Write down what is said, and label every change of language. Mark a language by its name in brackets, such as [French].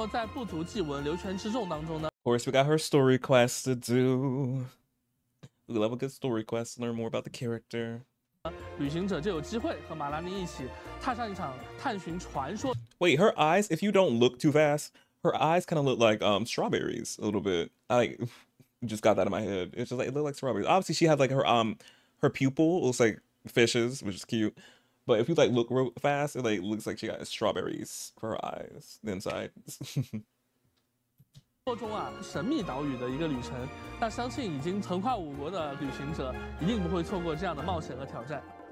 [Chinese] 但比起自己玩的开心，他更享受和大家一起度过美妙的时光。无论是他作为水上用品商店的店主呢，还是他作为一个新生代的向导当中的一个佼佼者呀，马拉尼他都非常热心于和他人推荐一段充满乐趣和惊喜的旅程。那么在不足记闻流泉之众当中呢 [English] ，Of course we got her story quest to do. We love a good story quest. Learn more about the character. [Chinese] 旅行者就有机会和马拉尼一起踏上一场探寻传说。 [English] Wait, her eyes, if you don't look too fast, her eyes kind of look like strawberries a little bit. I like just got that in my head. It's just like, it looked like strawberries. Obviously she has like her pupil looks like fishes, which is cute. But if you like look real fast, it like looks like she got strawberries for her eyes, the inside. [Chinese] 中啊，神秘岛屿的一个旅程，那相信已经横跨五国的旅行者一定不会错过这样的冒险和挑战。